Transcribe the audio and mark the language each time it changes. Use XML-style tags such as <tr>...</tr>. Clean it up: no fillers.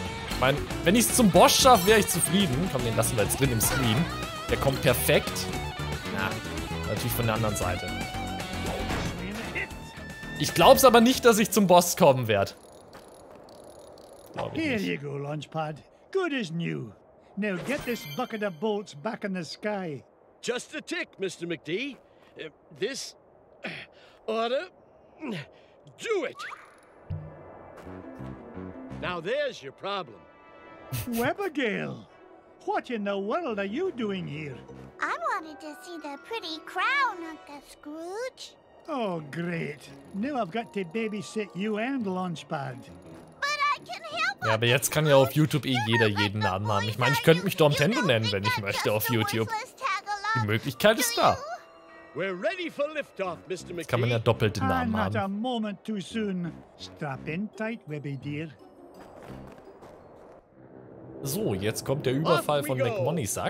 <de>Ich meine, wenn ich es zum Boss schaffe, wäre ich zufrieden. Komm, den lassen wir jetzt drin im Stream. Der kommt perfekt. Na, natürlich von der anderen Seite. Ich glaube es aber nicht, dass ich zum Boss kommen werde.</de> <en>Here you go, Launchpad. Good as new. Now get this bucket of bolts back in the sky. Just a tick, Mr. McD. This order, do it. Now there's your problem. Webigail, what in the world are you doing here? I wanted to see the pretty crown, Uncle Scrooge. Oh, great. Now I've got to babysit you and Launchpad. But I can help</en> <de>Ja, aber jetzt kann ja auf YouTube eh jeder jeden Namen haben. Ich meine, ich könnte mich Dom Tendo nennen, wenn ich möchte, auf YouTube. Die Möglichkeit ist da. Jetzt kann man ja doppelt den Namen haben.</de> <en>Not a moment too soon. Strap in tight, Webby dear.</en> <de>So, jetzt kommt der Überfall von McMoneysack.</de>